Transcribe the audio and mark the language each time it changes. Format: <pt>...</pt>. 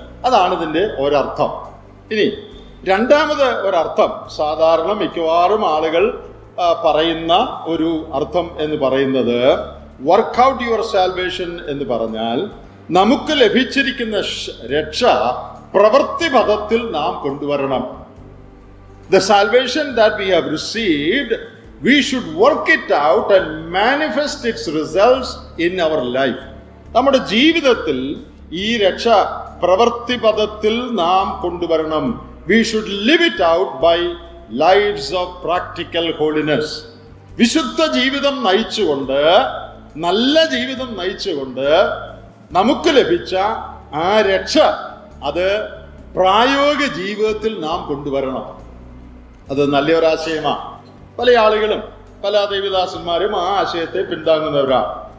<ml>അതാണ് ഇതിൻ്റെ ഒരർത്ഥം. ഇനി രണ്ടാമത് ഒരർത്ഥം, സാധാരണ മിക്കവാറും ആളുകൾ പറയുന്ന ഒരു അർത്ഥം എന്ന് പറയുന്നത്,</ml> <en>work out your salvation</en> <ml>എന്ന് പറഞ്ഞാൽ നമുക്ക് ലഭിച്ചിരിക്കുന്ന രക്ഷ പ്രവൃത്തിപഥത്തിൽ നാം കൊണ്ടുവരണം.</ml> <en>The salvation that we have received, we should work it out and manifest its results in our life.</en> <ml>നമ്മുടെ ജീവിതത്തിൽ ഈ രക്ഷ പ്രവൃത്തിപഥത്തിൽ നാം കൊണ്ടുവരണം.</ml> <en>We should live it out by lives of practical holiness.</en> <ml>വിശുദ്ധ ജീവിതം നയിച്ചുകൊണ്ട്, നല്ല ജീവിതം നയിച്ചുകൊണ്ട് നമുക്ക് ലഭിച്ച ആ രക്ഷ അത് പ്രായോഗിക ജീവിതത്തിൽ നാം കൊണ്ടുവരണം. അത് നല്ലൊരാശയമാണ്. പല ആളുകളും പല ദൈവദാസന്മാരും ആ ആശയത്തെ പിന്താങ്ങുന്നവരാണ്.</ml>